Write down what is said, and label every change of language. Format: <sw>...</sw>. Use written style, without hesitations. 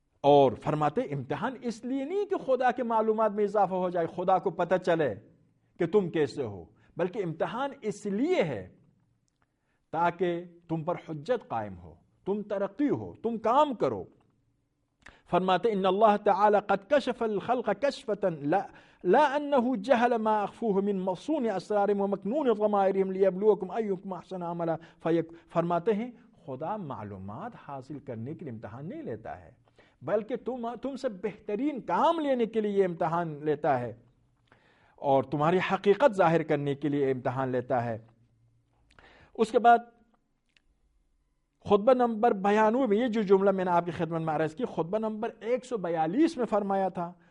<ur>اور فرماتے امتحان اس لیے نہیں کہ خدا کے معلومات میں اضافہ ہو جائے خدا کو پتہ چلے کہ تم کیسے ہو, بلکہ امتحان اس لیے ہے تاکہ تم پر حجت قائم ہو تم ترقی ہو تم کام کرو. فرماتے</ur> <ar>ان اللہ تعالی قد کشف الخلق کشفۃ لا انه جهل ما اخفوه من مصون اسرار ومكنون ضمائرهم ليبلوكم ايكم احسن عملا.</ar> <ur>فرماتے ہیں خدا معلومات حاصل کرنے کے لیے امتحان نہیں لیتا ہے بلکہ تم سے بہترین کام لینے کے لیے امتحان لیتا ہے اور تمہاری حقیقت ظاہر کرنے کے لیے امتحان لیتا ہے. اس کے بعد خطبہ نمبر 92 میں یہ جو جملہ میں نے آپ کی خدمت میں عرض کی خطبہ نمبر 142 میں فرمایا تھا.</ur>